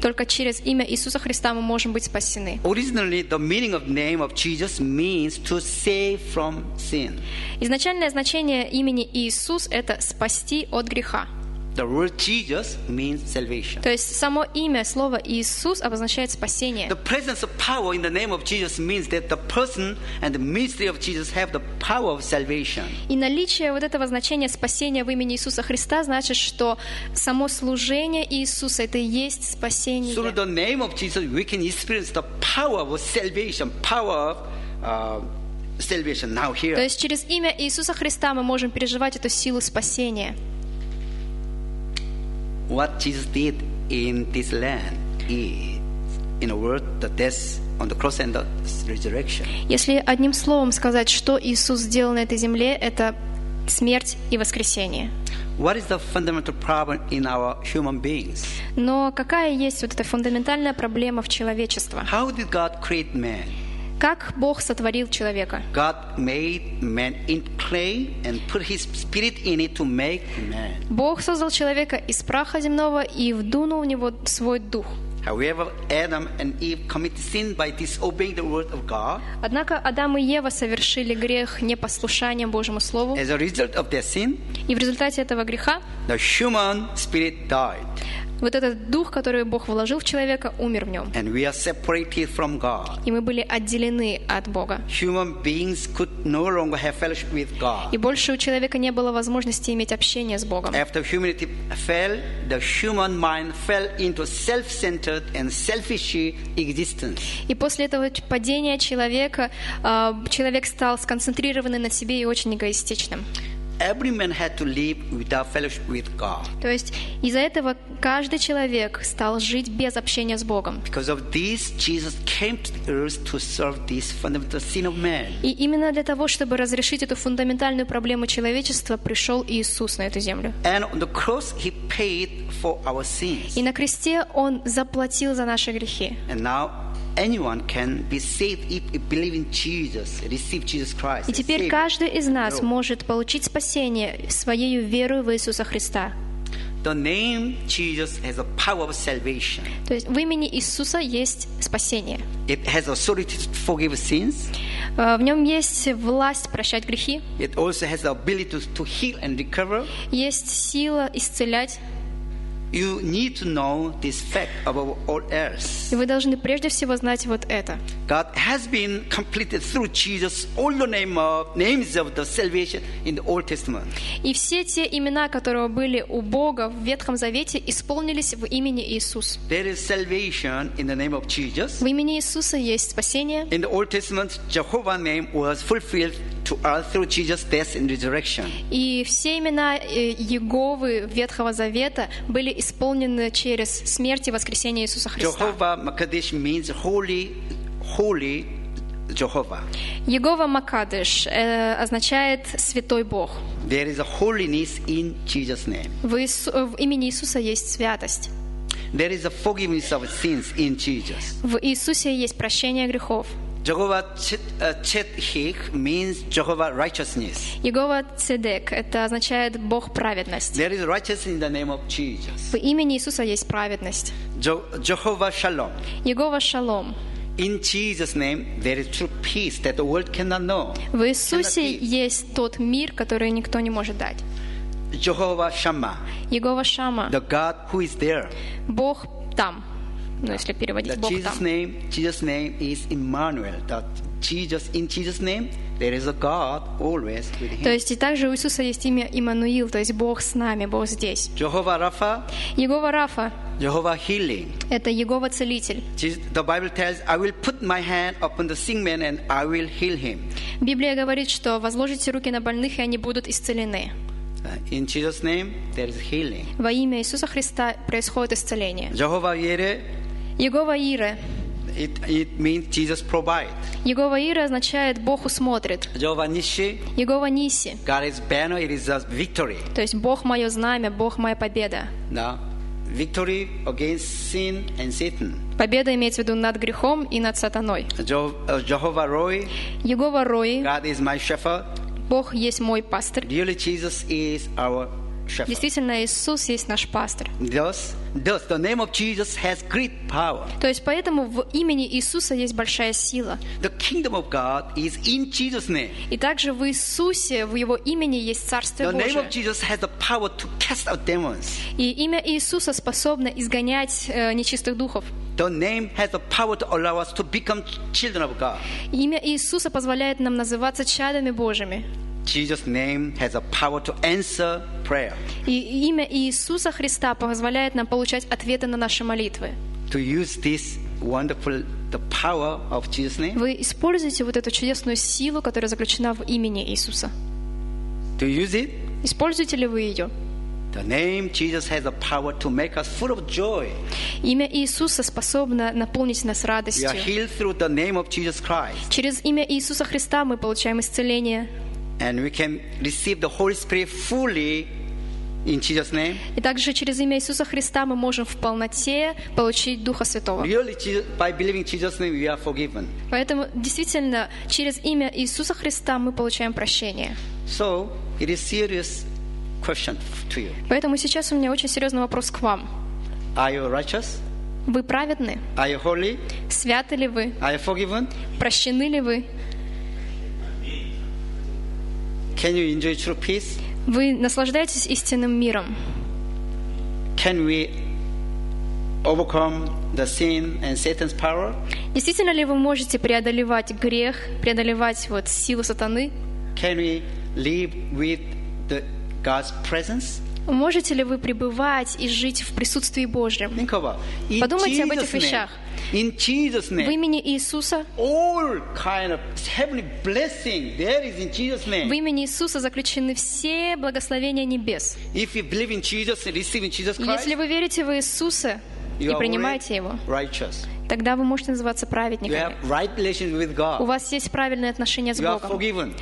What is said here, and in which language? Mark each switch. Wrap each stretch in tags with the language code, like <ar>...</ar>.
<ru>Только через имя Иисуса Христа мы можем быть спасены.</ru> <en>Originally, the meaning of name of Jesus means to save from sin.</en> <ru>Изначальное значение имени Иисус – это спасти от греха.</ru> <en>The word Jesus means salvation.</en> <ru>То есть само имя, слово Иисус обозначает спасение.</ru> <en>The presence of power in the name of Jesus means that the person and the ministry of Jesus have the power of salvation.</en> <ru>И наличие вот этого значения спасения в имени Иисуса Христа значит, что само служение Иисуса это и есть спасение.</ru> <en>Through the name of Jesus, we can experience the power of salvation, power of salvation now here.</en> <ru>То есть через имя Иисуса Христа мы можем переживать эту силу спасения.</ru> <en>What Jesus did in this land is, in a word, the death on the cross and the resurrection.</en> <ru>Если одним словом сказать, что Иисус сделал на этой земле, это смерть и воскресение.</ru> <en>What is the fundamental problem in our human beings?</en> <ru>Но какая есть вот эта фундаментальная проблема в человечестве?</ru> <en>How did God create man?</en> <ru>Как Бог сотворил человека?</ru> <en>God made man in clay and put His spirit in it to make man.</en> <ru>Бог создал человека из праха земного и вдунул в него свой дух.</ru> <en>However, Adam and Eve committed sin by disobeying the word of God.</en> <ru>Однако Адам и Ева совершили грех непослушанием Божьему слову.</ru> <en>As a result of their sin,</en> <ru>и в результате этого греха,</ru> <en>the human spirit died.</en> <ru>Вот этот дух, который Бог вложил в человека, умер в нем.</ru> <en>And we are separated from God.</en> <ru>И мы были отделены от Бога.</ru> <en>Human beings could no longer have fellowship with God.</en> <ru>И больше у человека не было возможности иметь общение с Богом.</ru> <en>After humanity fell, the human mind fell into self-centered and selfish existence.</en> <ru>И после этого падения человека, человек стал сконцентрированный на себе и очень эгоистичным.</ru> <en>Every man had to live without fellowship with God.</en> <ru>То есть из-за этого каждый человек стал жить без общения с Богом.</ru> <en>Because of this, Jesus came to earth to serve this fundamental sin of man.</en> <ru>И именно для того, чтобы разрешить эту фундаментальную проблему человечества, пришел Иисус на эту землю.</ru> <en>And on the cross, He paid for our sins.</en> <ru>И на кресте Он заплатил за наши грехи.</ru> <en>And now anyone can be saved if he believes in Jesus, receive Jesus Christ.</en> <ru>И теперь каждый из нас может получить спасение своей верой в Иисуса Христа.</ru> <en>The name Jesus has a power of salvation.</en> <ru>То есть в имени Иисуса есть спасение.</ru> <en>It has authority to forgive sins.</en> <ru>В нем есть власть прощать грехи.</ru> <en>It also has the ability to heal and recover.</en> <ru>Есть сила исцелять.</ru> <en>You need to know this fact above all else.</en> <ru>И вы должны прежде всего знать вот это.</ru> <en>God has been completed through Jesus all the names of the salvation in the Old Testament.</en> <ru>И все те имена, которые были у Бога в Ветхом Завете, исполнились в имени Иисус.</ru> <en>There is salvation in the name of Jesus.</en> <ru>В имени Иисуса есть спасение.</ru> <en>In the Old Testament, Jehovah's name was fulfilled to earth through Jesus' death and resurrection.</en> <ru>И все имена Иеговы Ветхого Завета были исполнены через смерть и воскресение Иисуса Христа.</ru> <en>Jehovah Makadesh means holy, holy Jehovah.</en> <ru>Иегова Макадеш означает святой Бог.</ru> <en>There is a holiness in Jesus' name.</en> <ru>В имени Иисуса есть святость.</ru> <en>There is a forgiveness of sins in Jesus.</en> <ru>В Иисусе есть прощение грехов.</ru> <en>Jehovah Tzedek means Jehovah righteousness.</en> <ru>Иегова Цедек это означает Бог праведность.</ru> <en>There is righteousness in the name of Jesus.</en> <ru>В имени Иисуса есть праведность.</ru> <en>Jehovah Shalom.</en> <ru>Иегова Шалом.</ru> <en>In Jesus' name, there is true peace that the world cannot know.</en> <ru>В Иисусе есть тот мир, который никто не может дать.</ru> <en>Jehovah Shama.</en> <ru>Иегова Шама.</ru> <en>The God who is there.</en> <ru>Бог там. Ну, если переводить, Бог</ru> <en>Jesus</en> <ru>там.</ru> <en>Name, Jesus name is Emmanuel. That Jesus, in Jesus name, there is a God always with him.</en> <ru>То есть и также у Иисуса есть имя Иммануил, то есть Бог с нами, Бог здесь.</ru> <en>Jehovah Rapha.</en> <ru>Иегова Рафа.</ru> <en>Jehovah Healing.</en> <ru>Это Иегова Целитель.</ru> <en>The Bible tells, I will put my hand upon the sick man and I will heal him.</en> <ru>Библия говорит, что возложите руки на больных и они будут исцелены.</ru> <en>In Jesus name, there is healing.</en> <ru>Во имя Иисуса Христа происходит исцеление.</ru> <en>Jehovah Yireh.</en> <ru>Иегова Ире.</ru> <en>It means Jesus provide.</en> <ru>Иегова Ире означает Бог усмотрит.</ru> <en>Jehovah Nissi.</en> <ru>Иегова Нисси.</ru> <en>God is banner, it is a victory.</en> <ru>То есть Бог мое знамя, Бог моя победа. Да.</ru> <en>Victory against sin and Satan.</en> <ru>Победа имеется в виду над грехом и над сатаной.</ru> <en>Jehovah Roi.</en> <ru>Иегова Рои.</ru> <en>God is my shepherd.</en> <ru>Бог есть мой пастырь.</ru> <en>Really Jesus is our shepherd.</en> <ru>Действительно, Иисус есть наш пастырь.</ru> <en>Thus, the name of Jesus has great power.</en> <ru>То есть поэтому в имени Иисуса есть большая сила.</ru> <en>The kingdom of God is in Jesus' name.</en> <ru>И также в Иисусе, в его имени есть Царство Божие.</ru> <en>The name of Jesus has the power to cast out demons.</en> <ru>И имя Иисуса способно изгонять нечистых духов.</ru> <en>The name has the power to allow us to become children of God.</en> <ru>Имя Иисуса позволяет нам называться чадами Божьими.</ru> <en>Jesus' name has a power to answer prayer.</en> <ru>И имя Иисуса Христа позволяет нам получать ответы на наши молитвы.</ru> <en>To use this wonderful the power of Jesus' name.</en> <ru>Вы используете вот эту чудесную силу, которая заключена в имени Иисуса.</ru> <en>To use it.</en> <ru>Используете ли вы ее?</ru> <en>The name Jesus has the power to make us full of joy.</en> <ru>Имя Иисуса способно наполнить нас радостью.</ru> <en>We are healed through the name of Jesus Christ.</en> <ru>Через имя Иисуса Христа мы получаем исцеление.</ru> <en>And we can receive the Holy Spirit fully in Jesus' name.</en> <ru>И также через имя Иисуса Христа мы можем в полноте получить Духа Святого.</ru> <en>Really, by believing in Jesus' name, we are forgiven.</en> <ru>Поэтому действительно через имя Иисуса Христа мы получаем прощение.</ru> <en>So it is serious. Question to you.</en> <ru>Поэтому сейчас у меня очень серьезный вопрос к вам.</ru> <en>Are you righteous?</en> <ru>Вы праведны?</ru> <en>Are you holy?</en> <ru>Святы ли вы?</ru> <en>Are you forgiven?</en> <ru>Прощены ли вы?</ru> <en>Can you enjoy true peace?</en> <ru>Вы наслаждаетесь истинным миром?</ru> <en>Can we overcome the sin and Satan's power?</en> <ru>Действительно ли вы можете преодолевать грех, преодолевать вот силу сатаны?</ru> <en>Can we live with the God's presence?</en> <ru>Можете ли вы пребывать и жить в присутствии Божьем? Подумайте об этих вещах.</ru> <en>In Jesus' name.</en> <ru>В имени Иисуса.</ru> <en>All kind of heavenly blessing there is in Jesus' name.</en> <ru>В имени Иисуса заключены все благословения небес.</ru> <en>If you believe in Jesus and receive in Jesus Christ.</en> <ru>Если вы верите в Иисуса и принимаете его.</ru> <en>Righteous.</en> <ru>Тогда вы можете называться праведниками. У вас есть правильные отношения с Богом.</ru>